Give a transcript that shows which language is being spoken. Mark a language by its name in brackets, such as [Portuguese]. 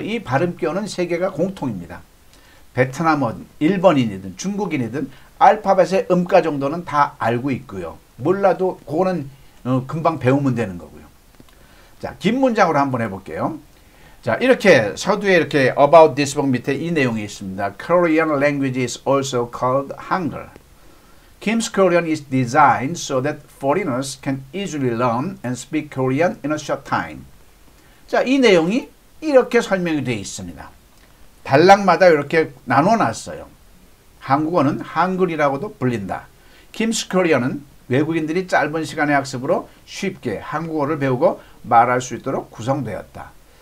[Korean] 이 발음기호는 세계가 공통입니다. 베트남어든 일본인이든 중국인이든 알파벳의 음가 정도는 다 알고 있고요. 몰라도 그거는 금방 배우면 되는 거고요. 자, 긴 문장으로 한번 해볼게요. 자, 이렇게 서두에 이렇게 [English] About this book [Korean] 밑에 이 내용이 있습니다. [English] Korean language is also called Hangul. Kim's Korean is designed so that foreigners can easily learn and speak Korean in a short time. [Korean] 자, 이 내용이 이렇게 설명이 되어 있습니다. 단락마다 이렇게 나눠놨어요. 한국어는 한글이라고도 불린다. Kim's Korean은 외국인들이 짧은 시간의 학습으로 쉽게 한국어를 배우고 말할 수 있도록 구성되었다.